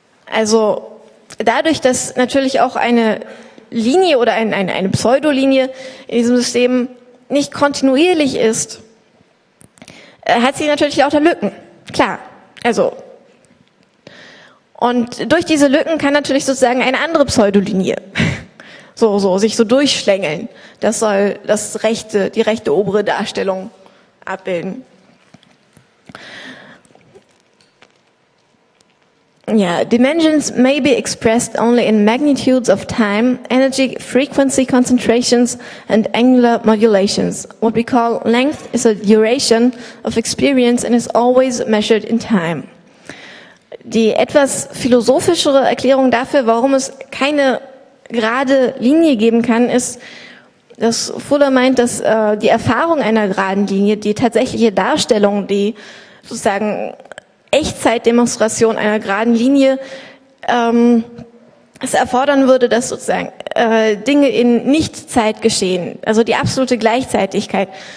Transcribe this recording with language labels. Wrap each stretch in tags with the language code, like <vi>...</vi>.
<de>Also dadurch, dass natürlich auch eine Linie oder eine Pseudolinie in diesem System nicht kontinuierlich ist, hat sie natürlich lauter Lücken. Klar. Also. Und durch diese Lücken kann natürlich sozusagen eine andere Pseudolinie so sich so durchschlängeln. Das soll die rechte obere Darstellung abbilden.</de> <en>Yeah, dimensions may be expressed only in magnitudes of time, energy, frequency, concentrations, and angular modulations. What we call length is a duration of experience and is always measured in time.</en> <de>Die etwas philosophischere Erklärung dafür, warum es keine gerade Linie geben kann, ist, dass Fuller meint, dass die Erfahrung einer geraden Linie, die tatsächliche Darstellung, die sozusagen Echtzeitdemonstration einer geraden Linie es erfordern würde, dass sozusagen Dinge in Nichtzeit geschehen, also die absolute Gleichzeitigkeit.</de>